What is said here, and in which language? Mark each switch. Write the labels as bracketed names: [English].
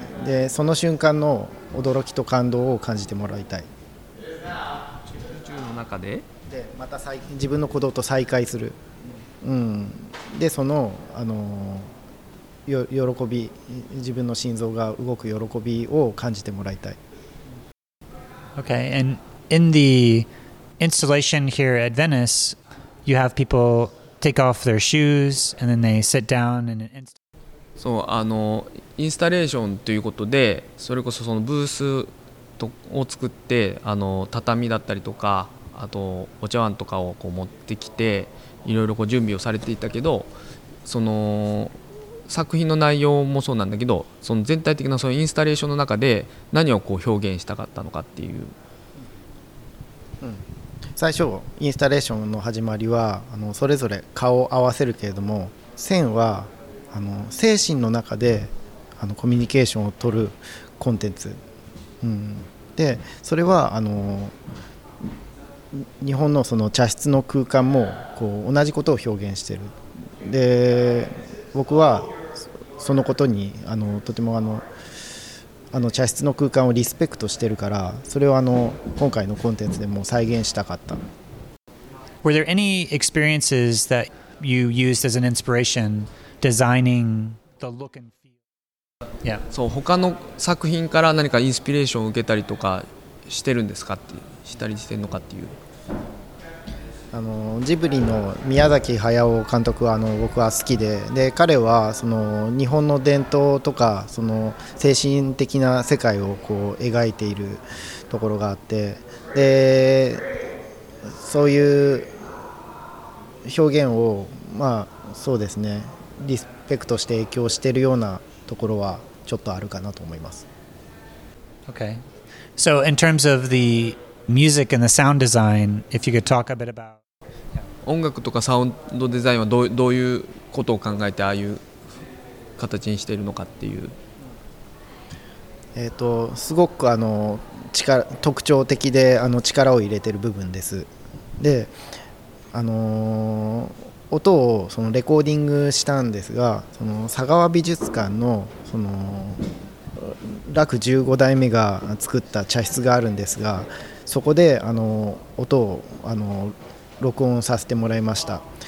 [Japanese] でその瞬間の驚きと感動を感じてもらいたい。宇宙の中で？でまた自分の鼓動と再会する、うん、でその喜び、自分の心臓が動く喜びを感じてもらいたい。 [English] Okay, and in the installation here at Venice, you have people take off their shoes and then they sit down in an [Japanese] そう、あのインスタレーションということで、それこそそのブースを作って、あの畳だったりとか、あとお茶碗とかをこう持ってきて、いろいろこう準備をされていたけど、その作品の内容もそうなんだけど、その全体的なそのインスタレーションの中で何をこう表現したかったのかっていう、うん、最初インスタレーションの始まりは、あのそれぞれ顔を合わせるけれども、線はあの精神の中であのコミュニケーションを取るコンテンツ、うん、でそれはあの日本 の, その茶室の空間もこう同じことを表現している。で僕はそのことにあのとてもあの茶室の空間をリスペクトしているから、それをあの今回のコンテンツでも再現したかった。 [English] Were there any experiences that you used as an inspiration designing the look and feel? Yeah. [Japanese] そう、他の作品から何かインスピレーションを受けたりとかしてるんですかって、したりしてるのかっていう。あのジブリの宮崎駿監督はあの僕は好きで、で彼はその日本の伝統とかその精神的な世界をこう描いているところがあって、でそういう表現を、まあそうですね、リスペクトして影響しているようなところはちょっとあるかなと思います。 [English] Okay. So in terms of the music and the sound design, if you could talk a bit about [Japanese] 音楽とかサウンドデザインはどういうことを考えてああいう形にしているのかっていう。すごくあの特徴的であの力を入れている部分です。で、音をそのレコーディングしたんですが、その佐川美術館 の, その楽15代目が作った茶室があるんですが、そこであの音をあの録音させてもらいました。